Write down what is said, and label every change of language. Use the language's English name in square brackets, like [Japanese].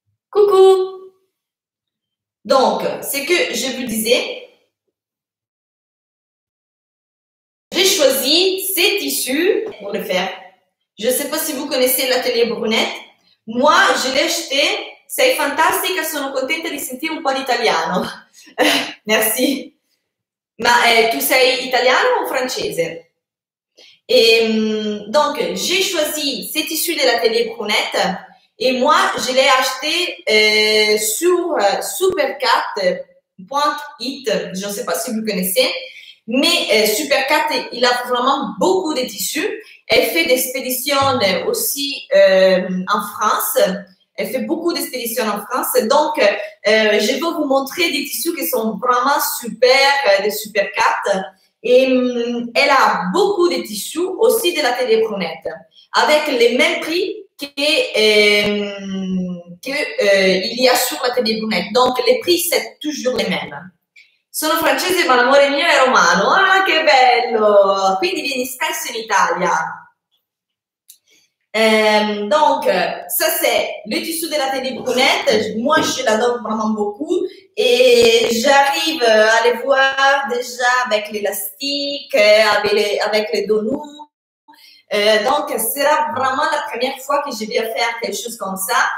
[French] Coucou! Donc, ce que je vous disais, j'ai choisi ces tissus pour le faire. Je ne sais pas si vous connaissez l'atelier Brunette. Moi, je l'ai acheté. C'est fantastique, [Italian] sono contenta di sentire un po' d'italiano. [French] Merci. [Italian] Ma tu sei italiano o francese? [French] Donc, j'ai choisi ces tissus de l'atelier Brunette. Et moi, je l'ai acheté sur supercat.it, je ne sais pas si vous connaissez, mais Supercat, il a vraiment beaucoup de tissus. Elle fait des expéditions aussi en France. Elle fait beaucoup d'expéditions en France. Donc, je vais vous montrer des tissus qui sont vraiment super, de Supercat. Et elle a beaucoup de tissus aussi de la télé Brunette, avec les mêmes prix qu'il y a sur l'atelier Brunette. Donc, les prix, c'est toujours les mêmes. [Italian] Sono francese, ma l'amore mio è romano. Ah, che bello! Quindi, vieni spesso in Italia. [French] Donc, ça, c'est le tissu de l'atelier Brunette. Moi, je l'adore vraiment beaucoup. Et j'arrive à les voir déjà avec l'élastique, avec les dos nus. Donc, ce sera vraiment la première fois que je vais faire quelque chose comme ça.